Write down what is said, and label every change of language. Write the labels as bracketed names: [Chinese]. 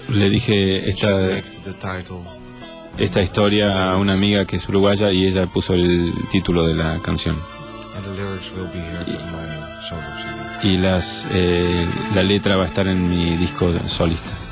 [Spanish] Le dije esta historia a una amiga que es uruguaya y ella puso el título de la canción. [English] And the lyrics will be here in my solo CD. [Spanish] Y la letra va a estar en mi disco solista.